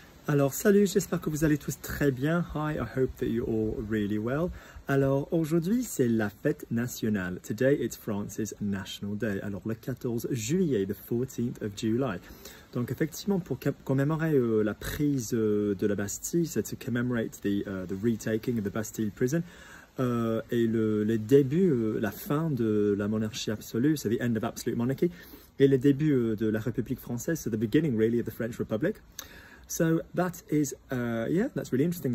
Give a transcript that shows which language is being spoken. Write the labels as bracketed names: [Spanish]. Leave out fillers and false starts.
[French] Alors, salut, j'espère que vous allez tous très bien. [English] Hi, I hope that you're all really well. [French] Alors, aujourd'hui, c'est la fête nationale. [English] Today, it's France's National Day. [French] Alors, le 14 juillet, [English] the 14th of July. [French] Donc, effectivement, pour commémorer la prise de la Bastille, c'est [English] to commemorate the retaking of the Bastille prison, [French] et le début, la fin de la monarchie absolue, c'est [English] the end of absolute monarchy, [French] et le début de la République française, [English] so the beginning, really, of the French Republic. So that is, yeah, that's really interesting.